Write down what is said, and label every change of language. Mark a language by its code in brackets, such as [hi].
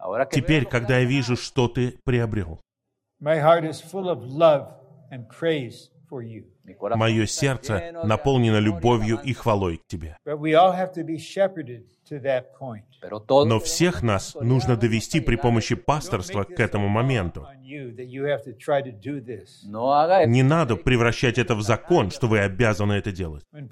[ru] Теперь, когда я вижу, что ты приобрел, [en] my heart is full of love and praise. [ru] Мое сердце наполнено любовью и хвалой к Тебе. Но всех нас нужно довести при помощи пасторства к этому моменту. Не надо превращать это в закон, что вы обязаны это делать.